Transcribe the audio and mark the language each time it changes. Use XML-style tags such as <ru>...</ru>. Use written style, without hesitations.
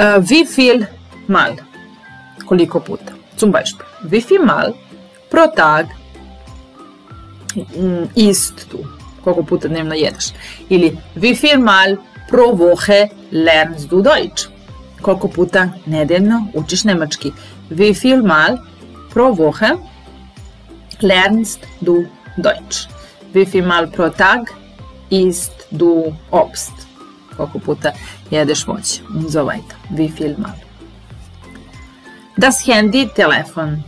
<de>Wie viel mal,</de> <sr>koliko puta,</sr> <de>zum Beispiel, wie viel mal pro Tag isst du,</de> <sr>koliko puta dnevno jedeš.</sr> <de>Ili wie viel mal pro Woche lernst du Deutsch.</de> <sr>Koliko puta nedeljno učiš nemački?</sr> <de>Wie viel mal pro Woche lernst du Deutsch? Wie viel mal pro Tag isst du Obst?</de> <sr>Koliko puta jedeš voće?</sr> <de>So weiter. Wie viel mal? Das Handy, telefon.</de>